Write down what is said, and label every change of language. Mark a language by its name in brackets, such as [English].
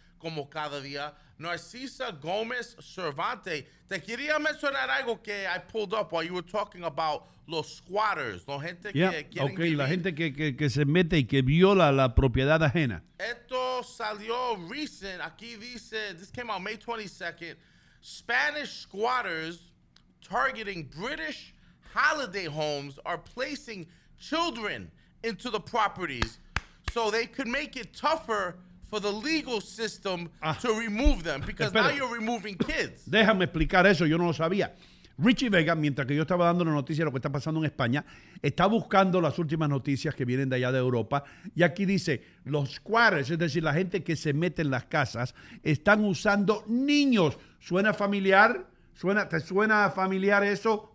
[Spanish] Como cada día, Narcisa Gomez Cervantes. Te quería mencionar algo que [English] I pulled up while you were talking about los squatters, [Spanish] la gente la gente que se mete y que viola la propiedad ajena. Esto salió recent. Aquí dice, [English] this came out May 22nd. Spanish squatters targeting British holiday homes are placing children into the properties so they could make it tougher for the legal system to remove them, because now you're removing kids. [Spanish] Déjame explicar eso, yo no lo sabía. Richie Vega, mientras que yo estaba dando la noticia de lo que está pasando en España, está buscando las últimas noticias que vienen de allá de Europa. Y aquí dice, los squares, es decir, la gente que se mete en las casas, están usando niños. ¿Suena familiar? ¿Te suena familiar eso?